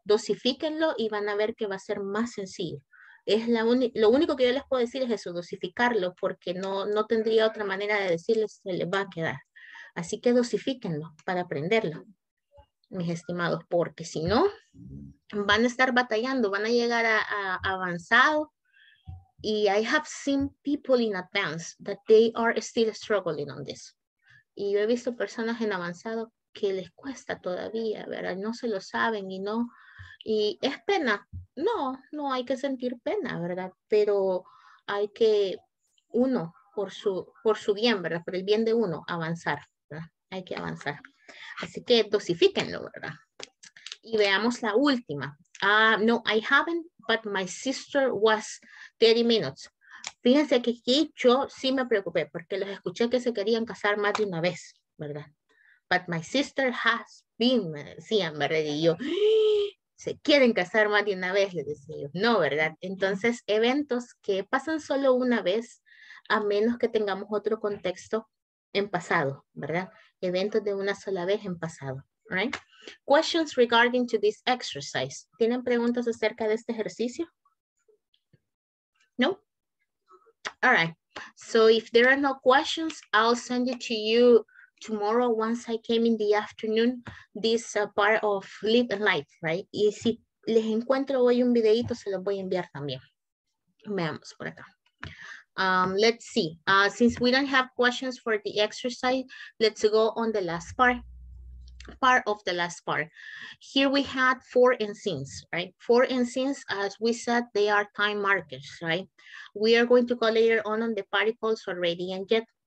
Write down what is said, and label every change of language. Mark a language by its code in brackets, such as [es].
[es] Dosifíquenlo y van a ver que va a ser más sencillo. Es lo único que yo les puedo decir es eso, dosificarlo, porque no tendría otra manera de decirles, se les va a quedar. Así que dosifíquenlo para aprenderlo, mis estimados, porque si no, van a estar batallando, van a llegar a avanzado. [en] Y I have seen people in advance that they are still struggling on this. [es] Y yo he visto personas en avanzado que les cuesta todavía, ¿verdad? No se lo saben y no. Y es pena. No hay que sentir pena, ¿verdad? Pero hay que uno, por su bien, ¿verdad? Por el bien de uno, avanzar, ¿verdad? Hay que avanzar. Así que dosifíquenlo, ¿verdad? Y veamos la última. [en] No, I haven't, but my sister was 30 minutes. [es] Fíjense que aquí yo sí me preocupé porque los escuché que se querían casar más de una vez, ¿verdad? [en] But my sister has been, [es] me decían, ¿verdad? Y yo, se quieren casar más de una vez, les decía yo. No, ¿verdad? Entonces, eventos que pasan solo una vez, a menos que tengamos otro contexto en pasado, ¿verdad? Eventos de una sola vez en pasado. [en] Right. Questions regarding to this exercise. [es] ¿Tienen preguntas acerca de este ejercicio? No? [en] All right. So if there are no questions, I'll send it to you tomorrow once I came in the afternoon. This part of Live and Life, right? [es] Y si les encuentro hoy un videito, se lo voy a enviar también. Veamos por acá. [en] Let's see. Since we don't have questions for the exercise, let's go on the last part. Part of the last part. Here we had for and since, right? For and since, as we said, they are time markers, right? We are going to go later on the particles already and yet.